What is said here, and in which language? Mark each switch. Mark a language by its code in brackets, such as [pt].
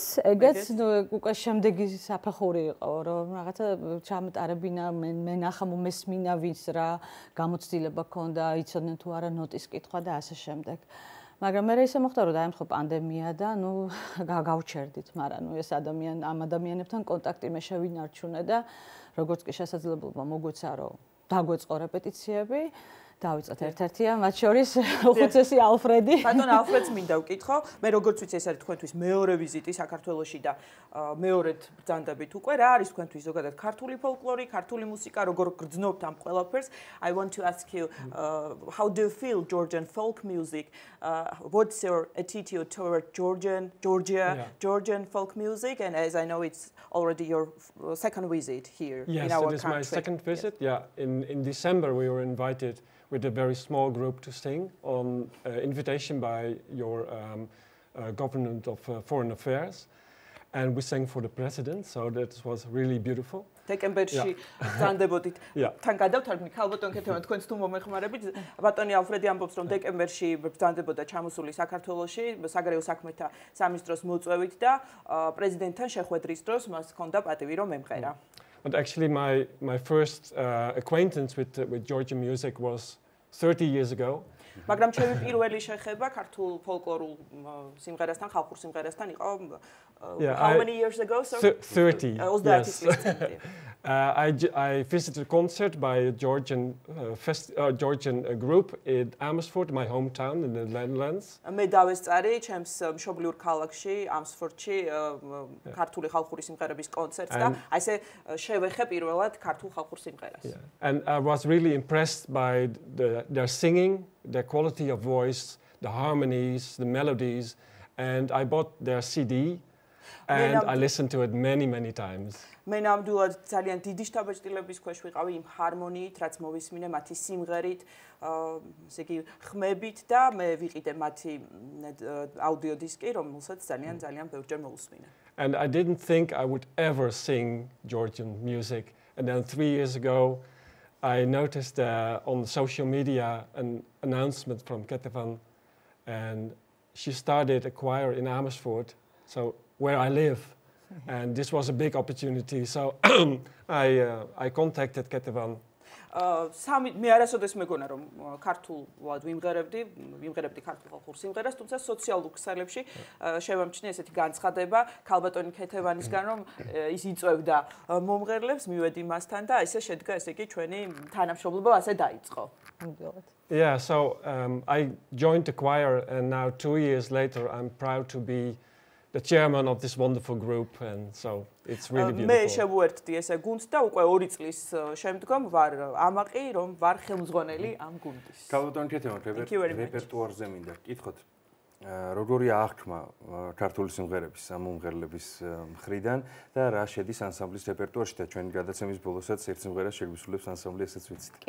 [ka] ეგეც ნუ უკვე შემდეგი საფეხური იყო რომ რაღაცა ჩამტარებინა მე ნახა მომესმინა ვინც რა გამოცდილება ქონდა იცოდნენ თუ არა ნოტის კითხვა და ასე შემდეგ მაგრამ მე ისე მოხდა რომ დაემთხო პანდემია და ნუ გავჩერდით მაგრამ ნუ ეს ადამიან ამ ადამიანებთან კონტაქტი მე შევინარჩუნე და როგორც კი შესაძლებლობა მოგვეცა რომ დაგვეწყო რეპეტიციები დავიწყოთ ერთ-ერთია მათ შორის უხუცესი ალფრედი. ბატონ ალფრედს მინდა ვკითხო, მე როგორც ვიცი ეს არის თქვენთვის მეორე ვიზიტი საქართველოში და მეორედ ბრძანდებით უკვე. რა არის თქვენთვის ზოგადად ქართული ფოლკლორი, ქართული მუსიკა, როგორ გრძნობთ ამ ყველაფერს? [en] I want to ask you how do you feel Georgian folk music? What's your attitude toward Georgian folk music and as I know it's already your second visit here yes, in our country. Yes, it is my second visit. Yes. Yeah, in December we were invited with a very small group to sing on invitation by your government of foreign affairs and we sang for the president so that was really beautiful [ka] სექტემბერში ძანდებოდით თან გადავთარგმნი ქალბატონ კეთევან თქვენს თუ მომეხმარებით ბატონი ალფრედი ამბობს რომ დეკემბერში ბრძანდებოდა ჩამოსული საქართველოში საგარეო საქმეთა სამინისტროს მოწვევით და პრეზიდენტთან შეხვედრის დროს მას ჰქონდა პატივი რომ ემღერა [en] But actually my first acquaintance with Georgian music was 30 years ago. [ka] მაგრამ ჩემი პირველი შეხება ქართულ ფოლკლორულ სიმღერასთან, ხალხურ სიმღერასთან იყო [en] how many years ago, sir? 30. Yes. I visited a concert by a Georgian Georgian group in Amersfoort, my hometown in the Netherlands. [ka] მე დავეს წარი ჩემს მშობლიურ ქალაქში ამსფორდში ქართული ხალხური სიმღერების კონცერტს და აი ესე შევეხე პირველად ქართულ ხალხურ სიმღერას. [en] And I was really impressed by their singing, their quality of voice, the harmonies, the melodies, and I bought their CD. And I listened to it many, many times. [ka] მე ნამდვილად ძალიან დიდი შთაბეჭდილების ქვეშ ვიყავი იმ ჰარმონიით, რაც მოვისმინე მათი სიმღერით, ესე იგი ხმებით და მე ვიყიდე მათი აუდიო დისკი, რომელსაც ძალიან ძალიან ბევრჯერ მოუსმინე. [en] And I didn't think I would ever sing Georgian music. And then 3 years ago, I noticed on social media an announcement from Ketevan, and she started a choir in Amersfoort. So where I live, and this was a big opportunity, so I contacted Ketevan. [ka] Sami მე არასოდეს მეგონა რომ ქართულად ვიმღერებდი, ვიმღერებდი ქართულ ხალხურ სიმღერას, თუმცა სოციალურ ქსელებში შევამჩნია ესეთი განცხადება ქალბატონი ქეთევანისგან, რომ ის იწევდა მომღერლებს, მივედი მასთან და ესე შედგა, ესე იგი ჩვენი თანამშრომლობა ასე დაიწყო. [en] Yeah, so I joined the choir and now 2 years later I'm proud to be the chairman of this wonderful group, and so it's really beautiful. [ka] მე შევუერთდი ესე გუნდს და უკვე 2 წლის შემდგომ ვარ ამაყი რომ ვარ ხელმძღვანელი ამ გუნდის. ქალბატონი ქეთევან, რეპერტუარზე მინდა კითხოთ, როგორია აღქმა ქართული სიმღერების ამ მომღერლების მხრიდან და რა შედის ანსამბლის რეპერტუარში და ჩვენი გადაცემის ბოლოსაც ერთ სიმღერას შეგვისრულებს ანსამბლი, ესეც ვიცით.